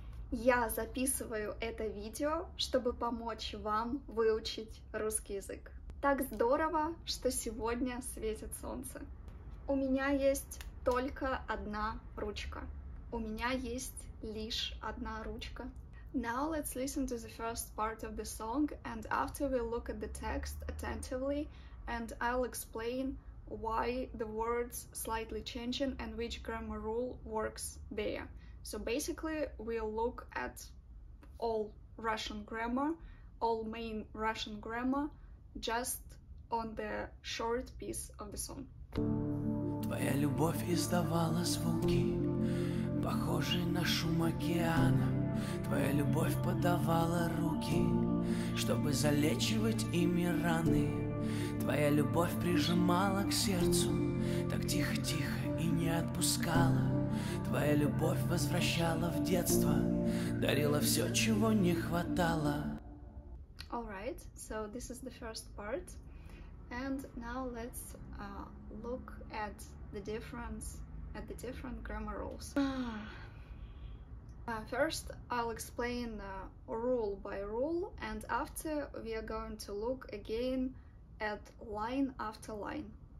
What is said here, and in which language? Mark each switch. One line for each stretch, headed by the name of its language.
Russian: Я записываю это видео, чтобы помочь вам выучить русский язык. Так здорово, что сегодня светит солнце. У меня есть только одна ручка. У меня есть лишь одна ручка.
English: Now let's listen to the first part of the song, and after we look at the text attentively, and I'll explain why the words slightly changing and which grammar rule works there. So basically, we'll look at all Russian grammar, all main Russian grammar, just on the short piece of the song.
Russian: Твоя любовь издавала звуки, похожие на шум океана. Твоя любовь подавала руки, чтобы залечивать ими раны. Твоя любовь прижимала к сердцу, так тихо-тихо и не отпускала. Твоя любовь возвращала в детство, дарила все, чего не хватало.
English: All right, so this is the first part. And now let's look at the difference, at the different grammar rules. First, I'll explain rule by rule, and after we are going to look again at line after line.